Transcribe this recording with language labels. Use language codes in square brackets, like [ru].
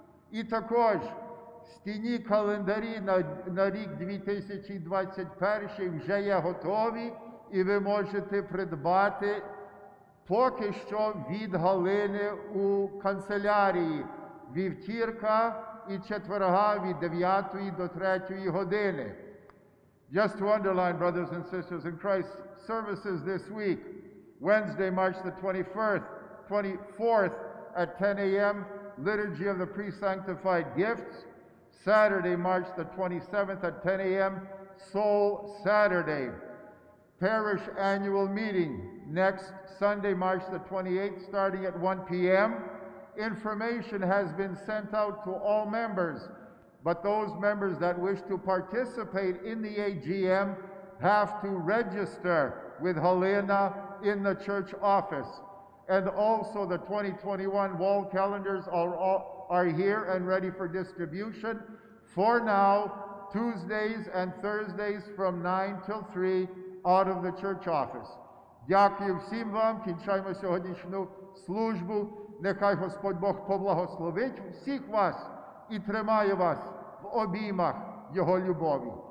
[uk] І також в стіні календарі на рік 2021 вже є готові, і ви можете придбати поки що від Галини у канцелярії вівтірка і четверга від 9 до 3 години. [en] Just to underline, brothers and sisters in Christ, services this week, Wednesday, March the 24th at 10 a.m., Liturgy of the Pre-Sanctified Gifts, Saturday, March the 27th at 10 a.m., Soul Saturday. Parish Annual Meeting, next Sunday, March the 28th, starting at 1 p.m. Information has been sent out to all members, but those members that wish to participate in the AGM have to register with Helena in the church office. And also the 2021 wall calendars are here and ready for distribution. For now, Tuesdays and Thursdays from 9 till 3 out of the church office. [uk] Дякую всім вам, кінчаємо сьогоднішню службу. Нехай Господь Бог поблагословить всіх вас і тримає вас в обіймах Його любові.